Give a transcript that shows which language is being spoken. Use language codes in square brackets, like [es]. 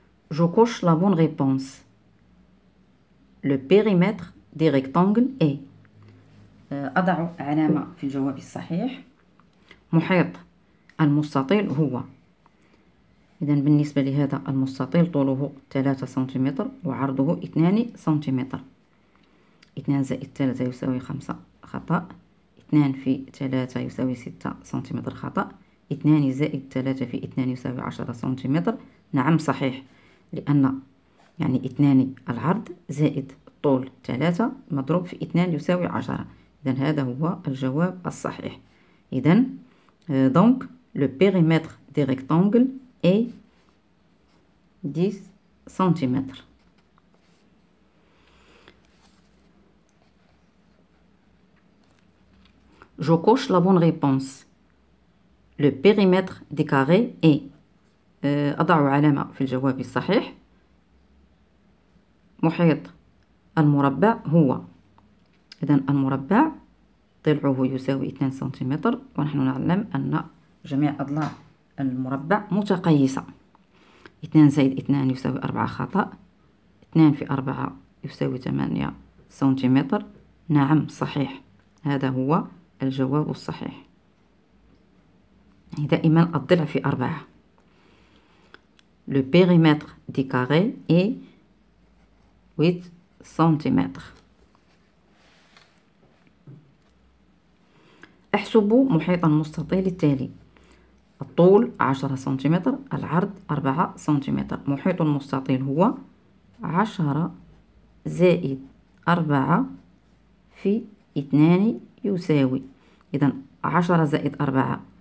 [fr] Je coche la bonne réponse. Le périmètre des rectangles est. [ar] أضع علامة في الجواب الصحيح. محيط المستطيل هو. إذن بالنسبة لهذا المستطيل طوله 3 سنتيمتر وعرضه 2 سنتيمتر. 2 زائد 3 يساوي 5 خطأ. 2 في 3 يساوي 6 سنتيمتر خطأ. 2 زائد 3 في 2 يساوي 10 سنتيمتر. نعم صحيح. لأن يعني 2 العرض زائد طول 3 مضروب في 2 يساوي 10. إذن هذا هو الجواب الصحيح. [fr] إذن donc le périmètre des rectangles est 10 سنتيمتر. Je coche la bonne réponse. Le périmètre des carrés est. [ar] أضع علامة في الجواب الصحيح. محيط المربع هو. إذن المربع ضلعه يساوي 2 سنتيمتر، ونحن نعلم أن جميع أضلاع المربع متقيسة. 2 زائد 2 يساوي 4 خطأ. 2 في 4 يساوي 8 سنتيمتر. نعم صحيح. هذا هو الجواب الصحيح. دائما الضلع في 4. [fr] Le périmètre des carrés est 8 cm. [ar] احسب محيط المستطيل التالي. الطول 10 سنتيمتر، العرض 4 سنتيمتر. محيط المستطيل هو 10 زائد 4 في 2 يساوي. إذن 10 زائد 4